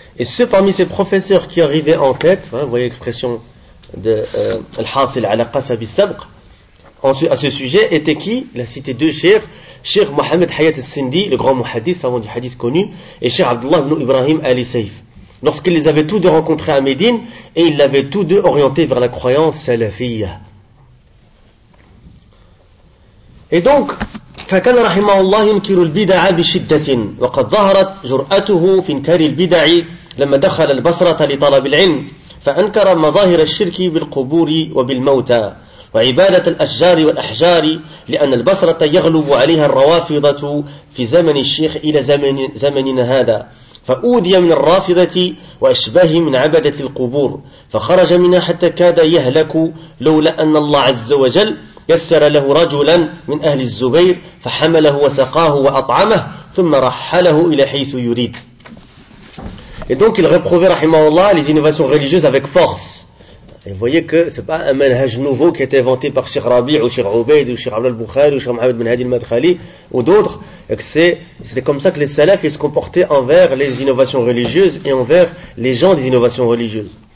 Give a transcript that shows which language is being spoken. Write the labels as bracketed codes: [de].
[fr] Et ce, parmi ses professeurs qui arrivaient en tête, hein, vous voyez l'expression de Al-Hasil ala qasabi sabq, à ce sujet, était qui? Il a cité deux chers. Cheikh Mohamed Hayat al-Sindi, le grand muhaddis, savant du hadith connu, et Cheikh Abdullah ibn Ibrahim Ali Saif. Lorsqu'ils les avaient tous deux rencontrés à Médine, et ils l'avaient tous deux orienté vers la croyance salafiyya. Et donc, [ar] فكان رحمه الله ينكر البدع بشدة وقد ظهرت جرأته في انكار البدع لما دخل البصرة لطلب العلم فأنكر مظاهر الشرك بالقبور وبالموتى وعبادة الأشجار والأحجار لأن البصرة يغلب عليها الروافضة في زمن الشيخ إلى زمننا هذا فأوذي من الرافضة وأشباه من عبدة القبور فخرج منها حتى كاد يهلك لولا أن الله عز وجل يسر له رجلا من أهل الزبير فحمله وسقاه وأطعمه ثم رحله إلى حيث يريد. [fr] Et donc il réprouvait, rahimahullah, les innovations religieuses avec force. Et vous voyez que ce n'est pas un manhaj nouveau qui a été inventé par Cheikh Rabi' ou Cheikh Ubaid ou Cheikh Abdel al-Bukhari ou Cheikh Mohamed bin Hadi al-Madkhali ou d'autres. Et que c'était comme ça que les salafs se comportaient envers les innovations religieuses et envers les gens des innovations religieuses.